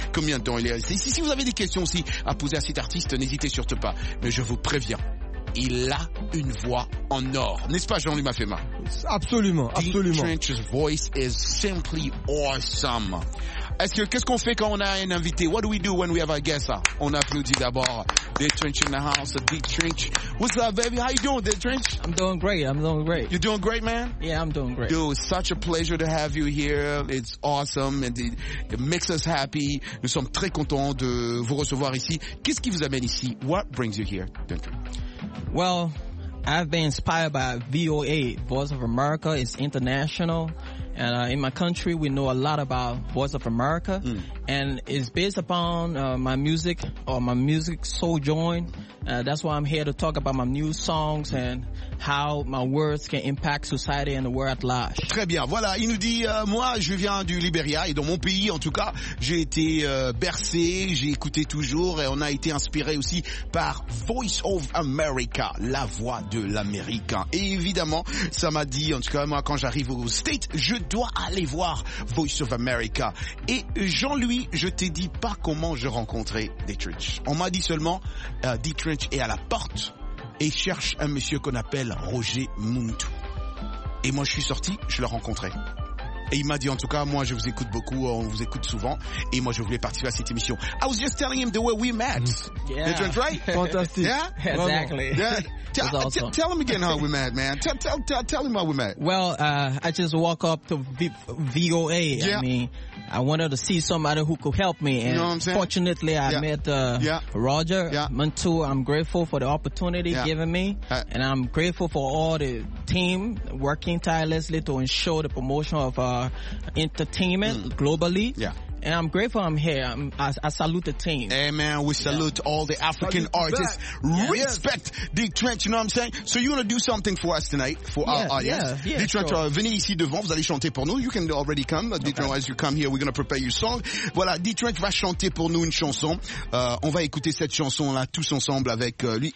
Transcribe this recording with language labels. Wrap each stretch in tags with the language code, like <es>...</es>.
<fr>Combien de temps il est resté ici? Si vous avez des questions aussi à poser à cet artiste, n'hésitez surtout pas. Mais je vous préviens, il a une voix en or. N'est-ce pas, Jean-Louis Mafema? Absolument, absolument.</fr> <en>D-Trench's voice is simply awesome.</en> <fr>Est-ce que, qu'est-ce qu'on fait quand on a un invité?</fr> <en>What do we do when we have a guest?</en> <fr>On applaudit d'abord.</fr> <en>The Trench in the house, the Big Trench. What's up, baby? How you doing, The Trench? I'm doing great. You're doing great, man? Yeah, I'm doing great. Dude, it's such a pleasure to have you here. It's awesome. And it makes us happy.</en> <fr>Nous sommes très contents de vous recevoir ici. Qu'est-ce qui vous amène ici?</fr> <en>What brings you here, The Trench? Well, I've been inspired by VOA, Voice of America. It's international. And in my country, we know a lot about Voice of America. Mm. And it's based upon my music or my music soul joint. That's why I'm here to talk about my new songs and how my words can impact society and the world at large.</en> <fr>Très bien. Voilà, il nous dit, moi, je viens du Liberia et dans mon pays, en tout cas, j'ai été bercé, j'ai écouté toujours et on a été inspiré aussi par Voice of America, la voix de l'Américain. Et évidemment, ça m'a dit, en tout cas, moi, quand j'arrive au State, je dois aller voir Voice of America. Et Jean-Louis, je t'ai dit pas comment je rencontrais Dietrich. On m'a dit seulement, Dietrich est à la porte et cherche un monsieur qu'on appelle Roger Muntu. Et moi, je suis sorti, je l'ai rencontré. Et il m'a dit, en tout cas, moi, je vous écoute beaucoup, on vous écoute souvent. Et moi, je voulais participer à cette émission.</fr> <en>I was just telling him the way we met. Yeah. Dietrich, right?</en> <fr>Fantastique.</fr> <en>Yeah? Exactly. Yeah. Tell him again how we met, man. Tell him how we met. Well, I just woke up to VOA. Yeah. I mean, I wanted to see somebody who could help me. And you know what I'm saying? Fortunately, I met Roger Muntu. I'm grateful for the opportunity given me. And I'm grateful for all the team working tirelessly to ensure the promotion of entertainment globally. Yeah. And I'm grateful I'm here. I salute the team. Hey, man, we salute all the African artists. Respect Dietrich, you know what I'm saying? So you want to do something for us tonight, for our audience? Yeah, yeah, Dietrich, sure.</en> <fr>Venez ici devant, vous allez chanter pour nous.</fr> <en>You can already come. Dietrich, as you come here, we're going to prepare your song.</en> <fr>Voilà, Dietrich va chanter pour nous une chanson. On va écouter cette chanson-là tous ensemble avec lui.</fr>